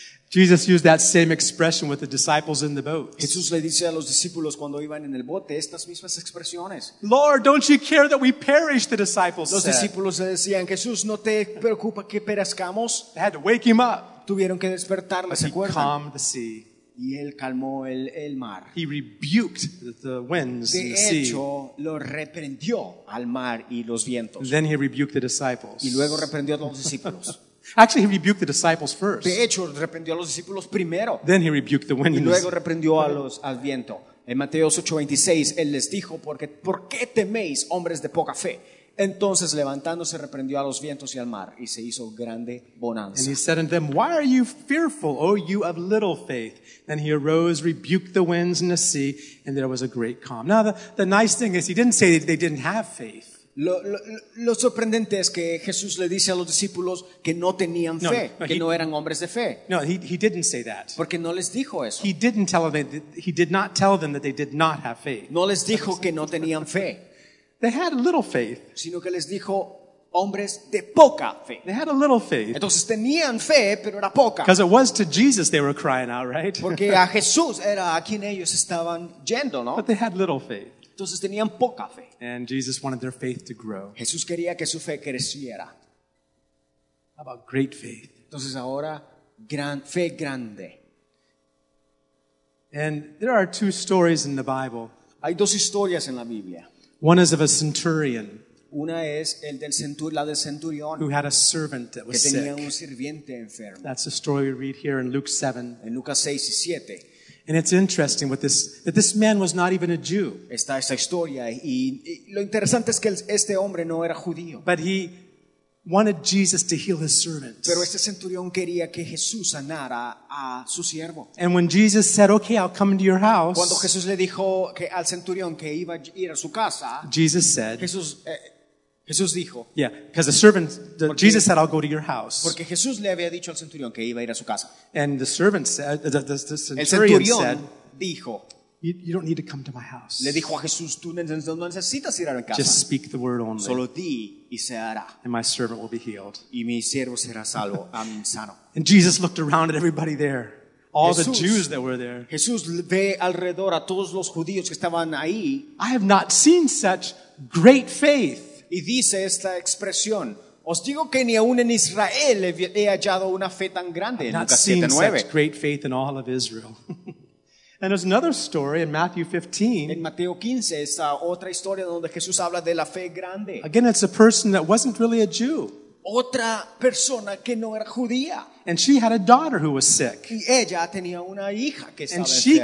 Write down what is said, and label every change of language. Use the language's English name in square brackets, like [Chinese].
[English] Jesus used that same expression with the disciples in the boat. [Spanish] Jesús le dice a los discípulos cuando iban en el bote estas mismas expresiones. [English] Lord, don't you care that we perish? The disciples said. [Spanish] Los discípulos le decían, Jesús, ¿no te preocupa que perezcamos? [English] They had to wake him up. [Spanish] Tuvieron que despertarlo. [English] But he calmed the sea. [Spanish] Y él calmó el mar. [English] He rebuked the winds [Spanish] De [English] and the sea. [Spanish] De hecho, lo reprendió al mar y los vientos. [English] Then he rebuked the disciples. [Spanish] Y luego reprendió a los discípulos. [English] Actually, he rebuked the disciples first. [Spanish] De hecho, reprendió a los discípulos primero. [English] Then he rebuked the wind. [Spanish] Y luego reprendió a los al viento. En Mateo 8:26, él les dijo, ¿por qué teméis, hombres de poca fe? Entonces, levantándose, reprendió a los vientos y al mar, y se hizo grande bonanza. [English] And he said unto them, why are you fearful, O you of little faith? Then he arose, rebuked the winds and the sea, and there was a great calm. Now, the nice thing is, he didn't say that they didn't have faith. [Spanish] Lo sorprendente es que Jesús le dice a los discípulos que no tenían fe, que no eran hombres de fe. [English] No, he didn't say that. [Spanish] Porque no les dijo eso. [English] He did not tell them that they did not have faith. [Spanish] No les dijo que no tenían fe. [English] They had a little faith. [Spanish] Sino que les dijo hombres de poca fe. [English] They had a little faith. [Spanish] Entonces tenían fe, pero era poca. [English] Because it was to Jesus they were crying out, right? [Spanish] Porque a Jesús era a quien ellos estaban yendo, ¿no? [English] But they had little faith. [Spanish] Entonces tenían poca fe. [English] And Jesus wanted their faith to grow. [Spanish] Jesús quería que su fe creciera. [English] How about great faith? [Spanish] Entonces ahora, fe grande. [English] And there are two stories in the Bible. [Spanish] Hay dos historias en la Biblia. [English] One is of a centurion. [Spanish] Una es el del centurión. [English] Who had a servant that was sick. [Spanish] Que tenía un sirviente enfermo. [English] That's the story we read here in Luke 7. [Spanish] En Lucas 6 y 7. [English] And it's interesting with this that this man was not even a Jew. [Spanish] Está esta historia y lo interesante es que este hombre no era judío. [English] But he wanted Jesus to heal his servant. [Spanish] Pero este centurión quería que Jesús sanara a su siervo. [English] And when Jesus said, "Okay, I'll come into your house." [Spanish] Cuando Jesús le dijo que al centurión que iba a ir a su casa. [English] Jesus said. [Spanish] Jesús dijo. [English] Yeah, because the servant Jesus said, "I'll go to your house." [Spanish] Porque Jesús le había dicho al centurión que iba a ir a su casa. [English] And the servant said, the [Spanish] centurión [English] said, [Spanish] dijo, [English] "You don't need to come to my house." [Spanish] Le dijo a Jesús, "Tú no necesitas ir a mi casa." [English] Just speak the word only. [Spanish] Solo di y se hará. [English] And my servant will be healed. [Spanish] Y mi siervo será salvo, sano. [English] And Jesus looked around at everybody there. All the Jews that were there. [Spanish] Jesús ve alrededor a todos los judíos que estaban ahí. [English] I have not seen such great faith. [Spanish] Y dice esta expresión, os digo que ni aún en Israel he hallado una fe tan grande. [English] I've not seen such great faith in all of Israel. And there's another story in Matthew 15. [Spanish] En Mateo 15 está otra historia donde Jesús habla de la fe grande. [English] Again, it's a person that wasn't really a Jew. [Spanish] Otra persona que no era judía. [English] And she had a daughter who was sick. [Spanish] Y ella tenía una hija que estaba enferma.